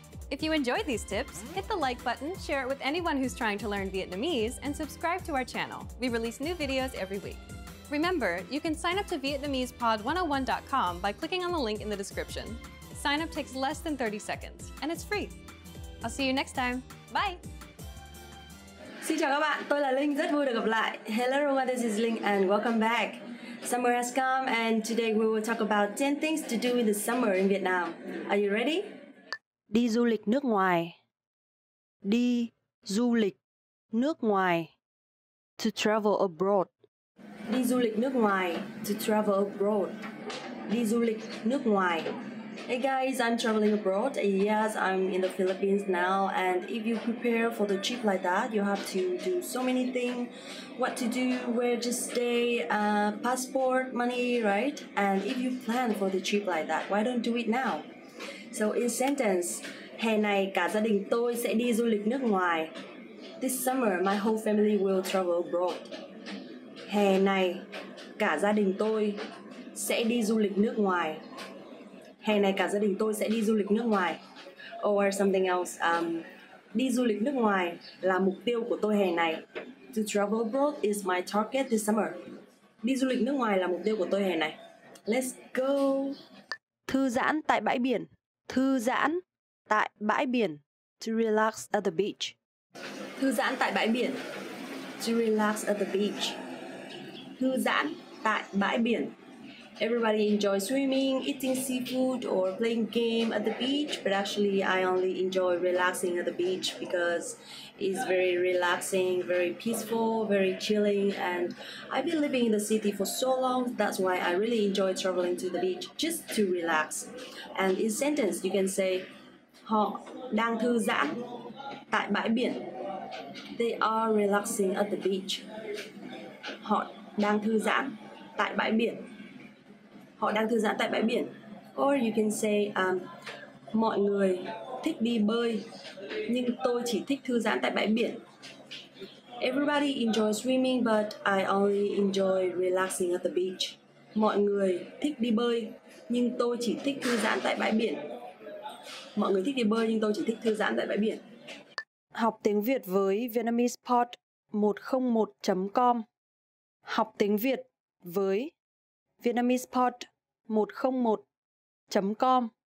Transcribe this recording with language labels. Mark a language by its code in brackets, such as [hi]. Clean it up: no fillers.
[en] If you enjoyed these tips, hit the like button, share it with anyone who's trying to learn Vietnamese, and subscribe to our channel. We release new videos every week. Remember, you can sign up to VietnamesePod101.com by clicking on the link in the description. Sign up takes less than 30 seconds, and it's free. I'll see you next time. Bye! [vi] Xin chào các bạn, tôi là Linh, rất vui được gặp lại. [en] Hello everyone, this is Linh and welcome back. Summer has come and today we will talk about 10 things to do in the summer in Vietnam. Are you ready? [vi] Đi du lịch nước ngoài. Đi du lịch nước ngoài. [en] To travel abroad. [vi] Đi du lịch nước ngoài. [en] To travel abroad. [vi] Đi du lịch nước ngoài. [en] Hey guys, I'm traveling abroad. Yes, I'm in the Philippines now. And if you prepare for the trip like that, you have to do so many things. What to do, where to stay, passport, money, right? And if you plan for the trip like that, why don't do it now? So in sentence, [vi] Hè này cả gia đình tôi sẽ đi du lịch nước ngoài. [en] This summer, my whole family will travel abroad. [vi] Hè này cả gia đình tôi sẽ đi du lịch nước ngoài. Hè này cả gia đình tôi sẽ đi du lịch nước ngoài. [en] Or something else. [vi] Đi du lịch nước ngoài là mục tiêu của tôi hè này. [en] To travel abroad is my target this summer. [vi] Đi du lịch nước ngoài là mục tiêu của tôi hè này. [en] Let's go. [vi] Thư giãn tại bãi biển. Thư giãn tại bãi biển. [en] To relax at the beach. [vi] Thư giãn tại bãi biển. [en] To relax at the beach. [vi] Thư giãn tại bãi biển. [en] Everybody enjoys swimming, eating seafood, or playing game at the beach. But actually, I only enjoy relaxing at the beach because it's very relaxing, very peaceful, very chilling. And I've been living in the city for so long. That's why I really enjoy traveling to the beach just to relax. And in sentence, you can say, [vi] họ đang thư giãn tại bãi biển. [en] They are relaxing at the beach. [vi] Họ đang thư giãn tại bãi biển. Họ đang thư giãn tại bãi biển. [en] Or you can say, [vi] mọi người thích đi bơi, nhưng tôi chỉ thích thư giãn tại bãi biển. [en] Everybody enjoys swimming, but I only enjoy relaxing at the beach. [vi] Mọi người thích đi bơi, nhưng tôi chỉ thích thư giãn tại bãi biển. Mọi người thích đi bơi, nhưng tôi chỉ thích thư giãn tại bãi biển. Học tiếng Việt với VietnamesePod101.com. Học tiếng Việt với VietnamesePod101.com.